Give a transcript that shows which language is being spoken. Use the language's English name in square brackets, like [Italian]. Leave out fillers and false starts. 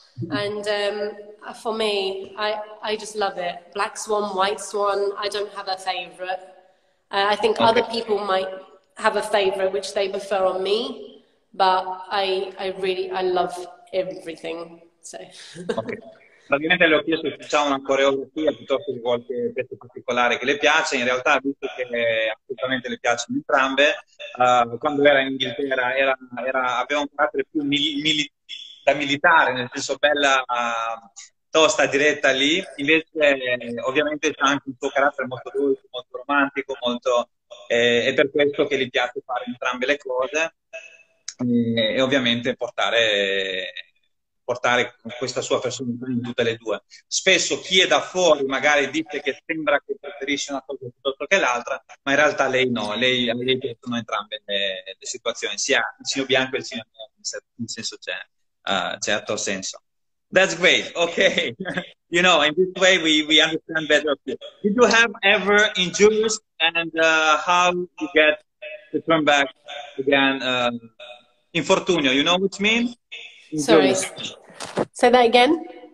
[English] And for me, I just love it. Black Swan, White Swan, I don't have a favorite. I think okay. Other people might have a favorite which they prefer on me, but I really love everything. So. [Italian] Praticamente le ho chiesto se c'è una coreografia piuttosto che qualche pezzo particolare che le piace. In realtà, visto che assolutamente le piacciono entrambe, quando era in Inghilterra aveva un carattere più da militare, nel senso bella tosta, diretta lì. Invece, ovviamente, c'è anche un suo carattere molto dolce, molto romantico, molto è per questo che le piace fare entrambe le cose e ovviamente portare questa sua personalità in tutte le due. Spesso chi è da fuori magari dice che sembra che preferisce una cosa piuttosto che l'altra, ma in realtà lei no, lei piacciono entrambe le situazioni, sia il signor bianco e il signor nero, in senso certo senso. [English] That's great, okay. You know, in this way we understand better. Did you have ever injuries and how you get to turn back again? Infortunio, you know what I mean? Injuries. Sorry, say that again.